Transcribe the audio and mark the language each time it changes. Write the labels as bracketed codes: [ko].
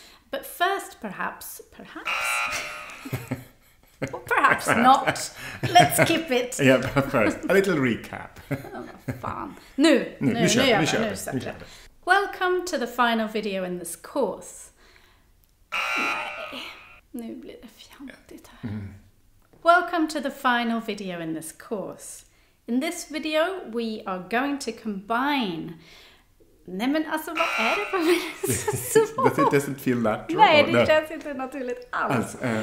[en] But first, perhaps not. Let's skip it. Yeah, but first, a little recap. [sv] Oh, fan. Nu. [en] Welcome to the final video in this course. [sv] Nu blir det fjantigt här. [en] Welcome to the final video in this course. In this video, we are going to combine... [sv] Nej, men alltså, vad är det för mig? Det så svårt. [en] It doesn't feel natural. [sv] Nej, det känns inte naturligt alls.